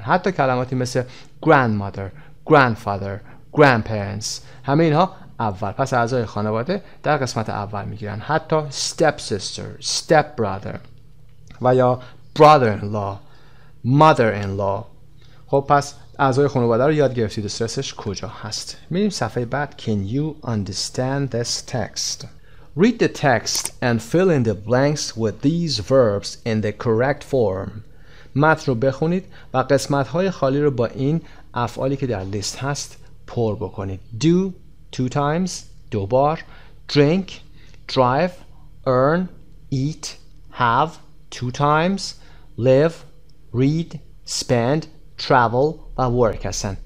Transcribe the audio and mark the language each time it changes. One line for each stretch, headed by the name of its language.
Persian: حتی کلماتی مثل grandmother, grandfather, grandparents، همه اینها اول. پس اعضای خانواده در قسمت اول میگیرن. حتی stepsister, stepbrother و یا brother-in-law, mother-in-law. خب پس اعضای خانواده رو یاد گرفتید استرسش کجا هست. میریم صفحه بعد.
English: Can you understand this text? Read the text and fill in the blanks with these verbs in the correct form.
Persian: متن رو بخونید و قسمت‌های خالی رو با این افعالی که در لیست هست پر بکنید.
English: Do, two times،
Persian: دو بار.
English: Drink، drive. Earn، eat. Have، two times. Live، read. Spend، travel و work هستن.